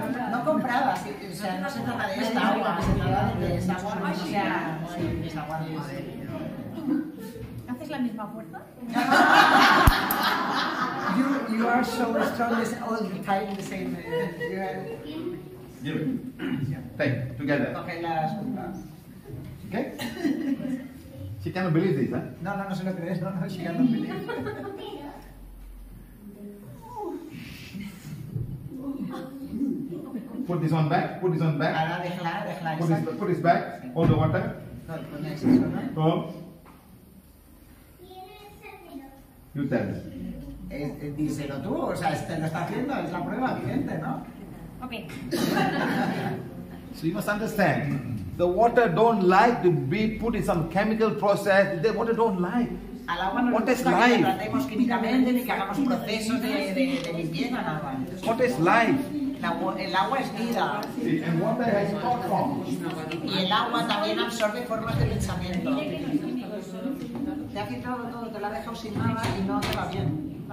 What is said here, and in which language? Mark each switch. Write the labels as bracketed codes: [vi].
[es] No compraba, o sea, no se trata de esta agua, se trata de esa agua, o sea, es agua de madre. ¿Haces la misma fuerza? [en] You are so strong, it's all the time the same. Thank you, together. [es] Okay, las juntas. ¿Qué? [en] She cannot believe this, eh? [es] No, no, no se lo crees, no, no, [en] she cannot believe. Put this on back, put this on back. [es] Ahora déjala, déjala. [en] Put this back, hold the water. No, no. You tell me. [es] Díselo tú, o sea, este lo está haciendo, es la prueba evidente, ¿no? Okay. [en] So you must understand. The water don't like to be put in some chemical process. The water don't like. [es] Al agua no [en] what [es] le gusta [en] is life? [es] Que tratemos químicamente ni que hagamos procesos de limpieza. Nada. [en] What is life? [es] El agua es vida. [en] And water has thought form. [es] Y el agua también absorbe formas de pensamiento. Te ha quitado todo, te la ha dejado sin nada y no te va bien.